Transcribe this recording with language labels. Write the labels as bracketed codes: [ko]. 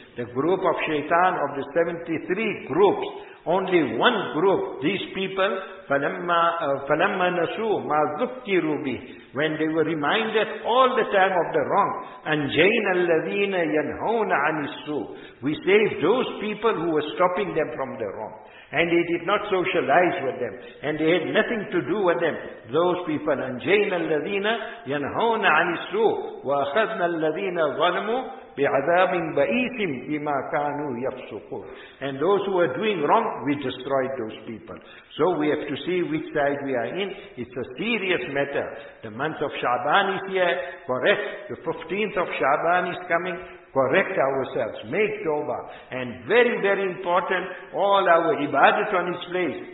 [en] The group of shaitan, of the 73 groups, only one group, these people, [ar] فَلَمَّا نَسُوا مَا ذُكِّرُوا بِهِ. [en] When they were reminded all the time of the wrong, [ar] أَنْجَيْنَ الَّذِينَ يَنْهَوْنَ عَنِ السُّوءِ. [en] We saved those people who were stopping them from the wrong. And they did not socialize with them. And they had nothing to do with them. Those people, [ar] أَنْجَيْنَ الَّذِينَ يَنْهَوْنَ عَنِ السُّوءِ وَأَخَذْنَ الَّذِينَ ظَلَمُوا بِعَذَابٍ بَئِيثٍ بِمَا كَانُوا يَفْسُقُونَ. [en] And those who were doing wrong, we destroyed those people. So we have to see which side we are in. It's a serious matter. The month of Sha'ban is here, correct. The 15th of Sha'ban is coming. Correct ourselves. Make tawbah. And very, very important, all our ibadat on its place.